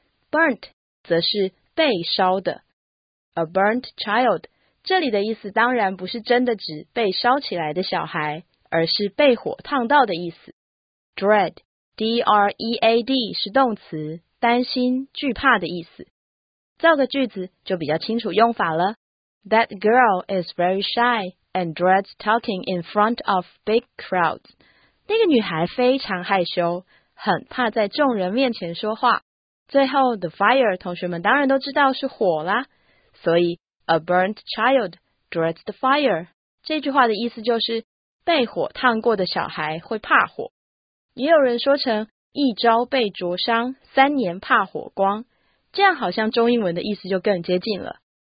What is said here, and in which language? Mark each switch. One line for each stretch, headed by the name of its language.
Chinese: Burnt 则是被烧的。A burnt child, 这里的意思当然不是真的指被烧起来的小孩。而是被火烫到的意思。Dread, D-R-E-A-D 是动词，担心、惧怕的意思。造个句子就比较清楚用法了。
English: That girl is very shy and dreads talking in front of big crowds.
Chinese: 那个女孩非常害羞，很怕在众人面前说话。最后 the fire 同学们当然都知道是火啦，所以
English: a burnt child dreads the fire
Chinese: 这句话的意思就是被火烫过的小孩会怕火，也有人说成一朝被灼伤，三年怕火光，这样好像中英文的意思就更接近了。